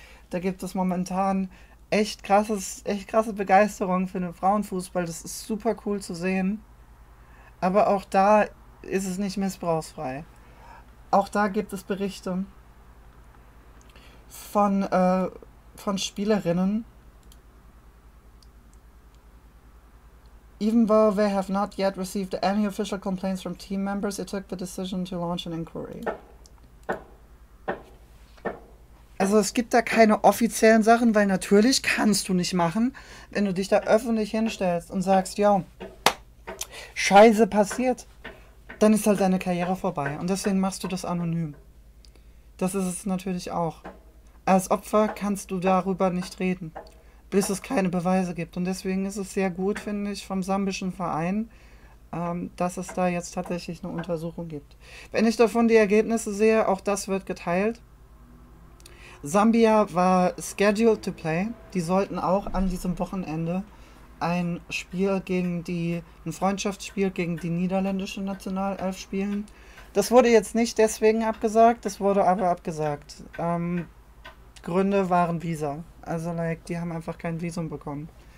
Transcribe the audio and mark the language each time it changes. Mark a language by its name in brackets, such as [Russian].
[German] Da gibt es momentan echt krasse Begeisterung für den Frauenfußball. Das ist super cool zu sehen. Aber auch da ist es nicht missbrauchsfrei. Auch da gibt es Berichte von Spielerinnen. [English] Even though they have not yet received any official complaints from team members, it took the decision to launch an inquiry. [German] Also es gibt da keine offiziellen Sachen, weil natürlich kannst du nicht machen, wenn du dich da öffentlich hinstellst und sagst, yo, Scheiße passiert. Dann ist halt deine Karriere vorbei. Und deswegen machst du das anonym. Das ist es natürlich auch. Als Opfer kannst du darüber nicht reden, bis es keine Beweise gibt. Und deswegen ist es sehr gut, finde ich, vom sambischen Verein, dass es da jetzt tatsächlich eine Untersuchung gibt. Wenn ich davon die Ergebnisse sehe, auch das wird geteilt. [English] Sambia war scheduled to play. [German] Die sollten auch an diesem Wochenende ein Spiel gegen die, ein Freundschaftsspiel gegen die niederländische Nationalelf spielen. Das wurde jetzt nicht deswegen abgesagt, das wurde aber abgesagt. Gründe waren Visa. Also, like, die haben einfach kein Visum bekommen.